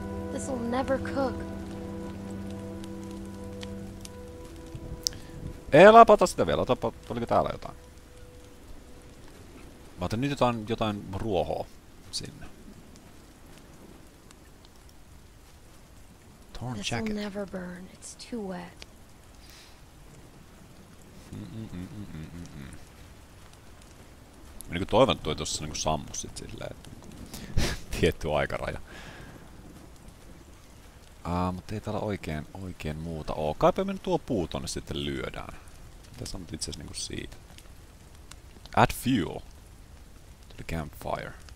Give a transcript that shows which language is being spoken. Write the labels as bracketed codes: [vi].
[en] This will never cook. [fi] Elä, pata sitä vielä. Oliko täällä jotain? Mä otan nyt jotain ruohoa sinne. [en] This will never burn. It's too wet. [fi] Mä niinku toivon, että toi tossa niinku sammu sit silleen, että tietty aikaraja. Mutta ei täällä oikein muuta oo. Kaipa me tuo puu tonne sitten lyödään. Tässä on itse asiassa niinku siitä. [en] Add fuel to the campfire.